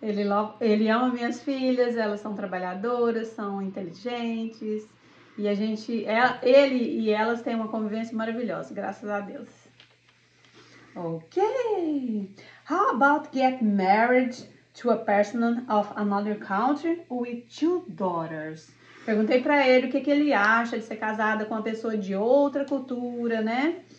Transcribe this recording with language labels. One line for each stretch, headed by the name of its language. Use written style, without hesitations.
Portuguese: Ele ama minhas filhas, elas são trabalhadoras, são inteligentes. E a gente, ele e elas têm uma convivência maravilhosa, graças a Deus. Ok.
English: How about get married to a person of another country with two daughters?
Portuguese: Perguntei para ele o que, que ele acha de ser casada com uma pessoa de outra cultura, né?